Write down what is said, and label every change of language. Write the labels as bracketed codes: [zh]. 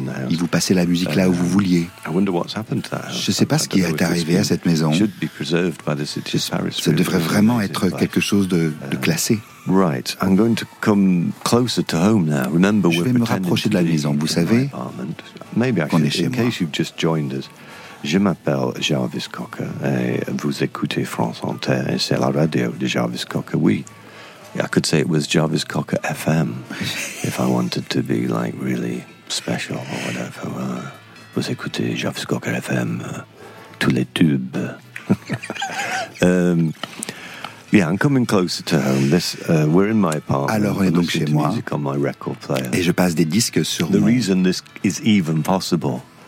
[fr] Il vous passait la musique là où vous vouliez. Je ne sais pas ce qui est arrivé à cette maison. Ça devrait vraiment être quelque chose de classé. [en] Right, I'm going to come closer to home now. Remember, [fr] je vais me rapprocher de la maison, vous savez. [en] Maybe [fr] qu'on est chez [en] in [fr] moi. [en] Case you've just joined us, [fr] je m'appelle Jarvis Cocker et vous écoutez France Inter et c'est la radio de Jarvis Cocker. [en] Oui, I could say it was Jarvis Cocker FM if I wanted to be like really special or whatever. [fr] Vous écoutez Jarvis Cocker FM, tous les tubes. [en] Yeah, I'm coming closer to home. We're in my apartment. [fr] Alors, on est donc chez moi. [en] On my record player. [fr] Et je passe des disques sur [en] The reason this is even possible.